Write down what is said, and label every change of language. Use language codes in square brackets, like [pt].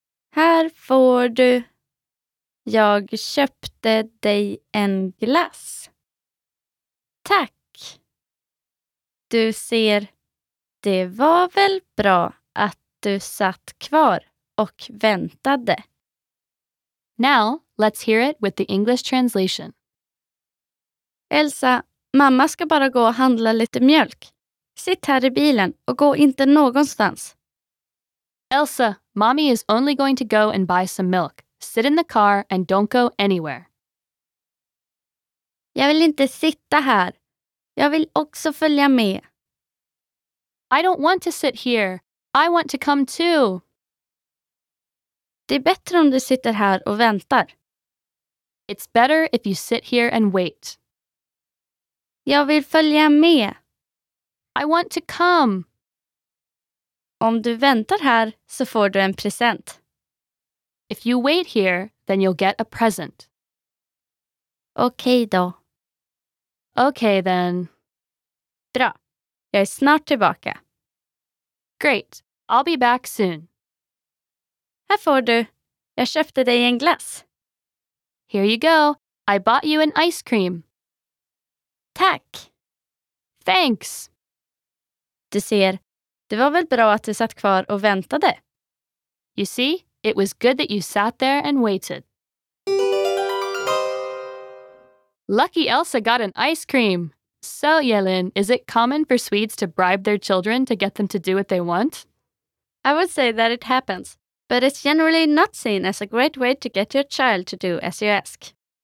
[sv] Här får du. Jag köpte dig en glass. Tack. Du ser. Det var väl bra att du satt kvar och väntade. [en] Now, let's hear it with the English translation. [sv] Elsa, mamma ska bara gå och handla lite mjölk. Sitt här i bilen och gå inte någonstans. [en] Elsa, mommy is only going to go and buy some milk. Sit in the car and don't go anywhere. [sv] Jag vill inte sitta här. Jag vill också följa med. [en] I don't want to sit here. I want to come too. [sv] Det är bättre om du sitter här och väntar. [en] It's better if you sit here and wait. [sv] Jag vill följa med. [en] I want to come. [sv] Om du väntar här så får du en present. [en] If you wait here, then you'll get a present. [sv] Okej då. [en] Okej then. [sv] Bra. Jag är snart tillbaka. [en] Great. I'll be back soon. [sv] Här får du. Jag köpte dig en glass. [en] Here you go. I bought you an ice cream. [sv] Tack. [en] Thanks. [sv] Du ser, det var väl bra att du satt kvar och väntade. [en] You see, it was good that you sat there and waited. Lucky Elsa got an ice cream. So, Elin, is it common for Swedes to bribe their children to get them to do what they want? I would say that it happens, but it's generally not seen as a great way to get your child to do as you ask.